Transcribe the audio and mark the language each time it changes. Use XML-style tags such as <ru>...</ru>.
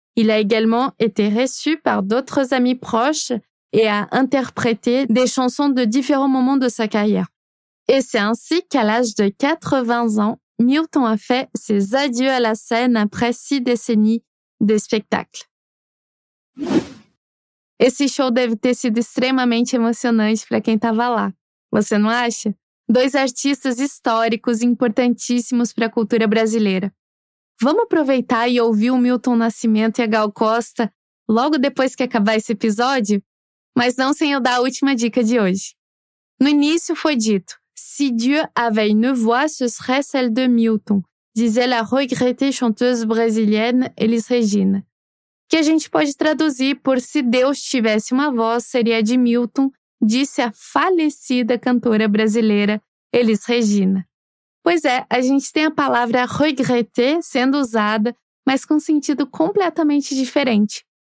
<fr>Il a également été reçu par d'autres amis proches et a interprété des chansons de différents moments de sa carrière. Et c'est ainsi qu'à l'âge de 80 ans, Milton a fait ses adieux à la scène après 6 décennies de spectacles.</fr> <pt>Esse show deve ter sido extremamente emocionante para quem estava lá. Você não acha? Dois artistas históricos importantíssimos para a cultura brasileira. Vamos aproveitar e ouvir o Milton Nascimento e a Gal Costa logo depois que acabar esse episódio? Mas não sem eu dar a última dica de hoje. No início foi dito:</pt> <fr>Si Dieu avait une voix, ce serait celle de Milton, disait la regrettée chanteuse brésilienne Elis Regina.</fr> <pt>que a gente pode traduzir por "Se Deus tivesse uma voz, seria de Milton", disse a falecida cantora brasileira Elis Regina. Pois é, a gente tem a palavra regretter sendo usada, mas com sentido completamente diferente.</pt>